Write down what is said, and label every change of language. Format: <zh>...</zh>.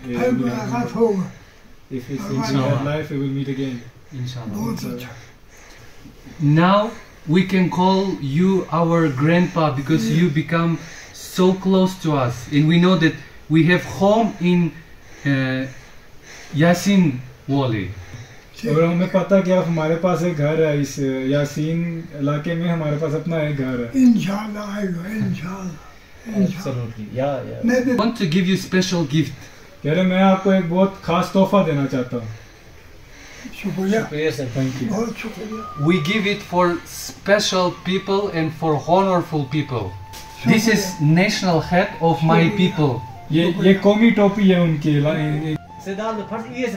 <en>If it's in our life, we will meet again. Inshallah. Now we can call you our grandpa because you become so close to us, and we know that we have home in Yasin Wali.</en> <hi>और हमें पता कि आप हमारे पास एक घर है इस यासीन इलाके में हमारे पास अपना एक घर है.</hi> <en>Inshallah, Inshallah. Absolutely. Yeah, yeah. Want to give you special gift.</en> <hi>कह रहे मैं आपको एक बहुत खास तोहफा देना चाहता हूँ. शुक्रिया</hi> <en>Sir. Thank you.</en> <hi>बहुत शुक्रिया.</hi> <en>We give it for special people and for honourful people. This is national hat of my people.</en> <hi>ये कौमी टोपी है उनकी. सदा फर्स्ट ये से</hi>